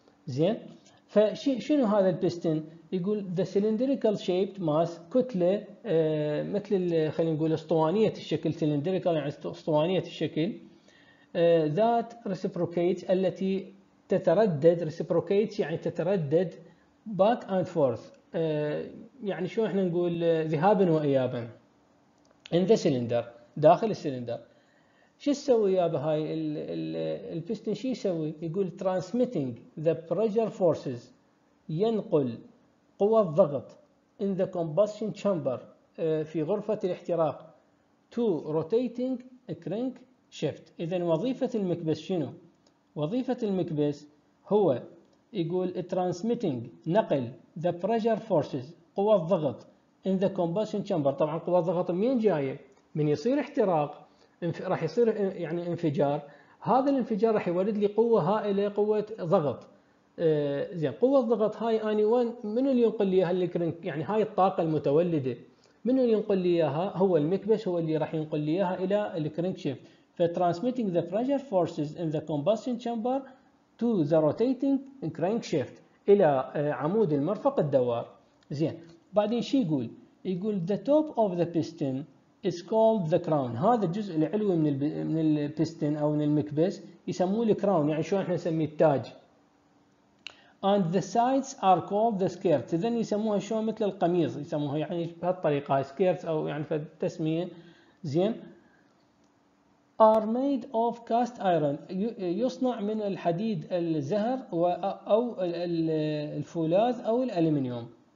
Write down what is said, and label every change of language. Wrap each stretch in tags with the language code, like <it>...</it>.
<ar>زين، فشنو هذا البيستن؟ يقول</ar> <en>the cylindrical shaped mass،</en> <ar>كتله مثل خلينا نقول اسطوانيه الشكل، cylindrical يعني اسطوانيه الشكل، ذات reciprocates التي تتردد، reciprocates يعني تتردد،</ar> <en>back and forth</en> <ar>يعني شو احنا نقول ذهابا وايابا،</ar> <en>in the cylinder</en> <ar>داخل السلندر. شو يسوي يا بهاي البيستن؟ شو يسوي؟ يقول</ar> <en>transmitting the pressure forces،</en> <ar>ينقل قوى الضغط،</ar> <en>in the combustion chamber</en> <ar>في غرفة الاحتراق،</ar> <en>to rotating a crank shaft.</en> <ar>إذا وظيفة المكبس شنو؟ وظيفة المكبس هو يقول transmitting نقل</ar> <en>the pressure forces</en> <ar>قوى الضغط</ar> <en>in the combustion chamber.</en> <ar>طبعا قوى الضغط منين جاية؟ من يصير احتراق راح يصير يعني انفجار، هذا الانفجار راح يولد لي قوة هائلة، قوة ضغط. زين قوة الضغط هاي اني وين من اللي ينقل لي هالكرنك؟ يعني هاي الطاقة المتولدة من اللي ينقل لي اياها؟ هو المكبس هو اللي راح ينقل لي اياها الى الكرنك شيفت. ف</ar> <en>transmitting the pressure forces in the combustion chamber to the rotating crank shaft</en> <ar>الى عمود المرفق الدوار. زين بعدين شو يقول؟ يقول</ar> <en>the top of the piston is called the crown.</en> <ar>هذا الجزء العلوي من البستن او من المكبس يسموه الكراون، يعني شو احنا نسميه؟ التاج.</ar> <en>And the sides are called the skirts.</en> <ar>إذن يسموها شو؟ مثل القميص يسموها، يعني بهالطريقة skirts أو يعني فالتسمية. زين</ar> <en>are made of cast iron،</en> <ar>يصنع من الحديد الزهر أو الفولاذ أو الألمنيوم.</ar>